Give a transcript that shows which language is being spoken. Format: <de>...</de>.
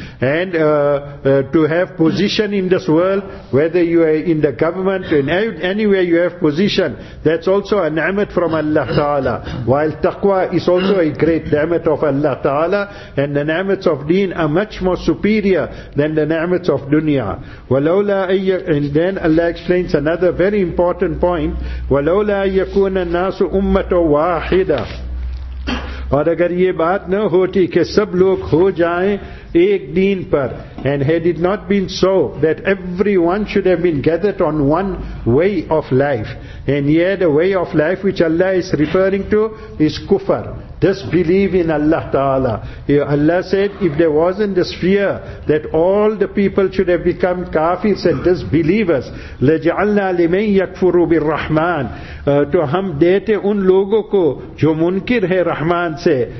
<en>And to have position in this world, whether you are in the government, in anywhere you have position, that's also a ni'mat from Allah Ta'ala. While taqwa is also a great ni'mat of Allah Ta'ala, and the ni'mats of deen are much more superior than the ni'mats of dunya. And then Allah explains another very important point.</en> <ar>وَلَوْلَا يَكُونَ النَّاسُ أُمَّةً وَاحِدًا</ar> <ur>اور اگر یہ بات نہ ہوتی کہ سب لوگ ہو جائیں ایک دین پر.</ur> <en>And had it not been so, that everyone should have been gathered on one way of life. And yet the way of life which Allah is referring to is kufr. Disbelieve in Allah Ta'ala. Allah said, if there wasn't this fear that all the people should have become kafirs and disbelievers,</en> <ar>لَجْعَلْنَا لِمَنْ يَكْفُرُ بِالرَّحْمَانِ</ar> <ur>تو ہم دیتے ان لوگوں کو جو منکر ہے رحمان سے.</ur>